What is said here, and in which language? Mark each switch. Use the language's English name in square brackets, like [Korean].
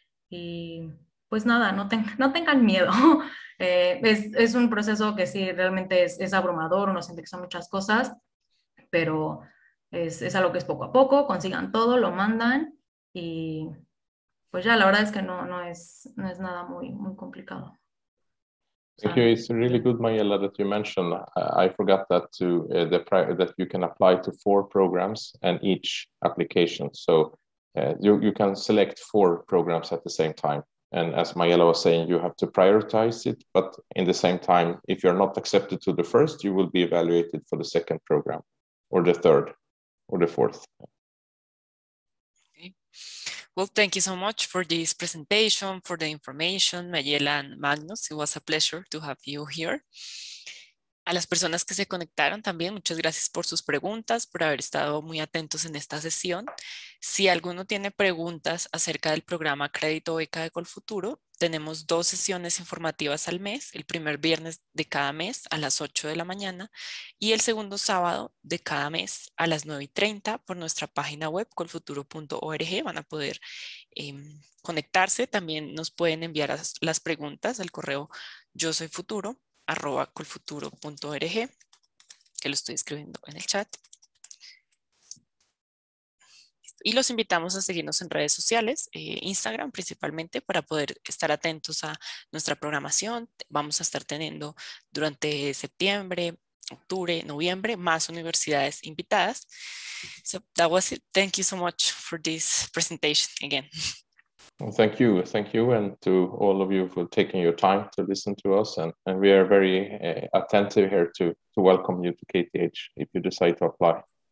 [Spanish] Y pues nada, no tengan miedo. Es un proceso que sí realmente es abrumador, uno siente que son muchas cosas, pero es algo que es poco a poco, consigan todo, lo mandan y pues ya, la verdad es que no es nada muy, muy complicado. [English] Thank you. It's really good, Mayela, that you mentioned. I forgot that that you can apply to 4 programs and each application. So you can select 4 programs at the same time. And as Mayela was saying, you have to prioritize it. But in the same time, if you're not accepted to the first, you will be evaluated for the second program or the third. Or the fourth. Okay. Well, thank you so much for this presentation, for the information, Mayela and Magnus. It was a pleasure to have you here. [Spanish] A las personas que se conectaron también, muchas gracias por sus preguntas, por haber estado muy atentos en esta sesión. Si alguno tiene preguntas acerca del programa Crédito Beca de Colfuturo, tenemos 2 sesiones informativas al mes, el primer viernes de cada mes a las 8 de la mañana y el segundo sábado de cada mes a las 9:30 por nuestra página web colfuturo.org. Van a poder conectarse, también nos pueden enviar las preguntas al correo yosoyfuturo@colfuturo.org, que lo estoy escribiendo en el chat. y los invitamos a seguirnos en redes sociales, Instagram principalmente, para poder estar atentos a nuestra programación. Vamos a estar teniendo durante septiembre, octubre, noviembre, más universidades invitadas. [English] So that was it. Thank you so much for this presentation again. Well, thank you. Thank you, and to all of you for taking your time to listen to us. And we are very attentive here to welcome you to KTH if you decide to apply.